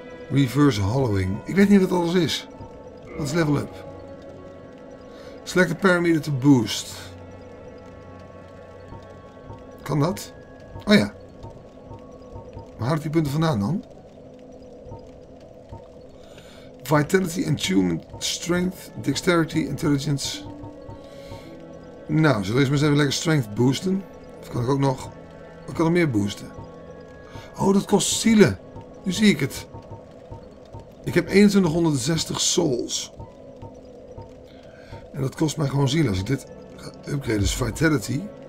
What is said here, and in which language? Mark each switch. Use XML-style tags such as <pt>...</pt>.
<nl>Reverse hollowing. Ik weet niet wat alles is. Wat is level up?</nl> <en>Select a parameter to boost.</en> <nl>Kan dat? Oh ja. Waar haal ik die punten vandaan dan?</nl> <en>Vitality, Entombment, Strength, Dexterity, Intelligence.</en> <nl>Nou, zullen we eens even lekker strength boosten? Of kan ik ook nog... Wat kan er meer boosten? Oh, dat kost zielen. Nu zie ik het. Ik heb 2160 souls. En dat kost mij gewoon zielen. Als ik dit upgrade, dus vitality.</nl>